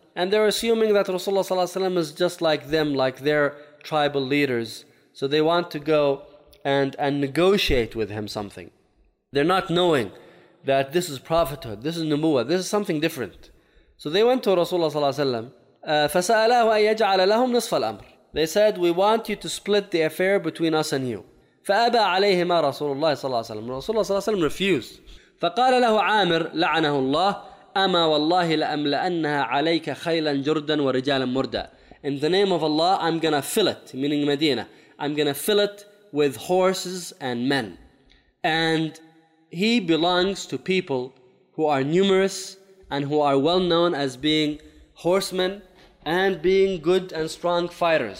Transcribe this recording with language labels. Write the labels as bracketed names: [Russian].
[English] And they're assuming that Rasulullah sallallahu alaihi wasallam is just like them, like their tribal leaders. So they want to go and negotiate with him something. They're not knowing that this is prophethood, this is nubuwa, this is something different. So they went to Rasulullah sallallahu alaihi wasallam. [Arabic] فسألاه أن يجعل لهم نصف الأمر. [English] They said, we want you to split the affair between us and you. [Arabic] فأبى عليهما رسول الله صلى الله عليه وسلم. رسول الله صلى الله عليه وسلم [English] refused. [Arabic] فقال له عامر لعنه الله أما والله لأملأنها عليك خيلا جردا ورجالا مردا. [English] In the name of Allah, I'm gonna fill it, meaning Medina. I'm gonna fill it with horses and men. And he belongs to people who are numerous and who are well known as being horsemen and being good and strong fighters.